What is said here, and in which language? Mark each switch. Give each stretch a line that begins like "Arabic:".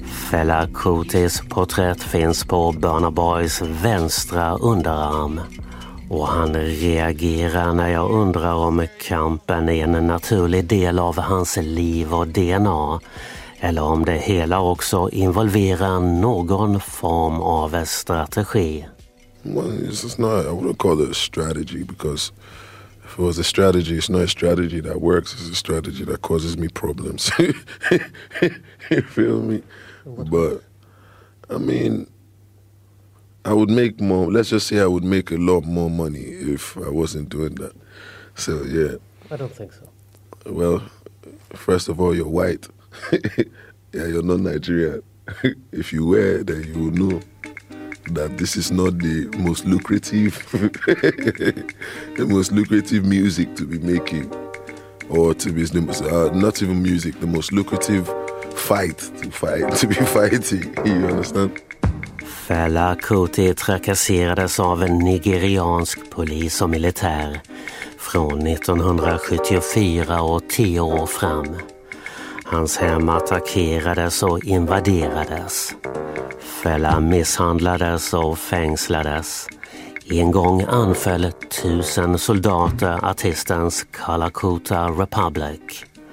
Swedish: Fela Kutis porträtt finns på Burna Boys vänstra underarm. Och han reagerar när jag undrar om kampen är en naturlig del av hans liv och DNA. Eller om det hela också involverar någon form av strategi.
English: Well, it's just not, I wouldn't call it a strategy because... If it was a strategy, it's not a strategy that works. It's a strategy that causes me problems. You feel me? But, I mean, I would make more. Let's just say I would make a lot more money if I wasn't doing that. So, yeah. I don't think so. Well, first of all, you're white. Yeah, you're not Nigerian. If you were, then you would know that this is not the most lucrative the most lucrative music to be making, or to be the most, not even music, the most lucrative fight to be fighting, you understand?
Swedish: Fela Kuti trakasserades av en nigeriansk polis och militär från 1974 och 10 år fram. Hans hem attackerades och invaderades. Fela misshandlades och fängslades. En gång anföll 1000 soldater artistens Kalakuta Republic.